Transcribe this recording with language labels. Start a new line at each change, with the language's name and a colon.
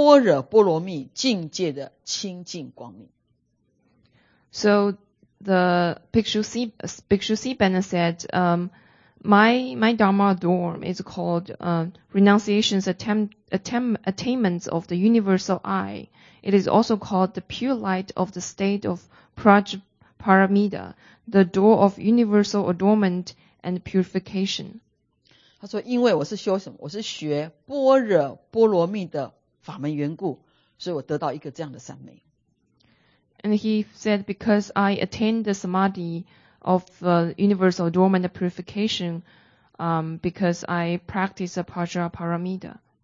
Chinese: 那这个海藏比丘就跟他讲说，我这个法门呢，叫做普贤舍得，叫般若波罗蜜境界的清净光明。
English: So the Bhikshu Siban said, my Dharma dharma is called renunciation's attainments of the universal eye. It is also called the pure light of the state of Prajparamita, the door of universal adornment and purification.
Chinese: 他说，因为我是修什么？我是学般若波罗蜜的法门缘故，所以我得到一个这样的三昧。
English: And he said, because I attained the samadhi of universal adornment purification, because I practice a Prajaparamita.